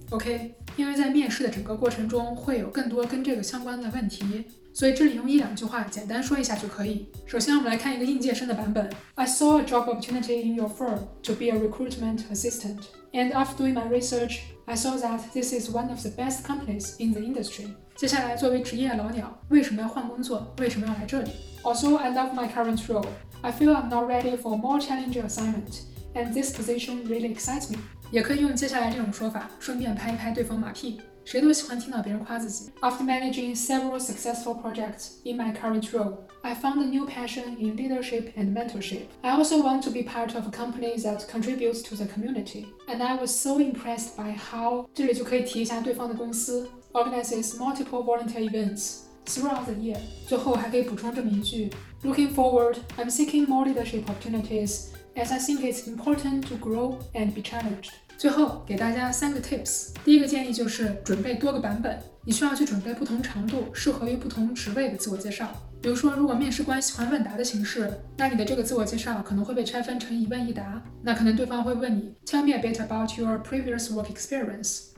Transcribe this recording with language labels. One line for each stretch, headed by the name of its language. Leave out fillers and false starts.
Chinese: OK, 因为在面试的整个过程中会有更多跟这个相关的问题，所以这里用一两句话简单说一下就可以。首先我们来看一个应届生的版本。
English: I saw a job opportunity in your firm to be a recruitment assistant, and after doing my researchI saw that this is one of the best companies in the industry.
Chinese: 接下来作为职业老鸟，为什么要换工作？为什么要来这里？
English: Also, I love my current role. I feel I'm not ready for more challenging assignment, and this position really excites me.
Chinese: 也可以用接下来这种说法，顺便拍一拍对方马屁。谁都喜欢听到别人夸自己。
English: After managing several successful projects in my current role, I found a new passion in leadership and mentorship. I also want to be part of a company that contributes to the community. And I was so impressed by how
Chinese: 这里就可以提一下对方的公司
English: organizes multiple volunteer events throughout the year.
Chinese: 最后还可以补充这么一句
English: Looking forward, I'm seeking more leadership opportunities as I think it's important to grow and be challenged.
Chinese: 最后给大家三个 tips。第一个建议就是准备多个版本，你需要去准备不同长度适合于不同职位的自我介绍。比如说如果面试官喜欢问答的形式，那你的这个自我介绍可能会被拆分成一问一答，那可能对方会问你
English: Tell me a bit about your previous work experience。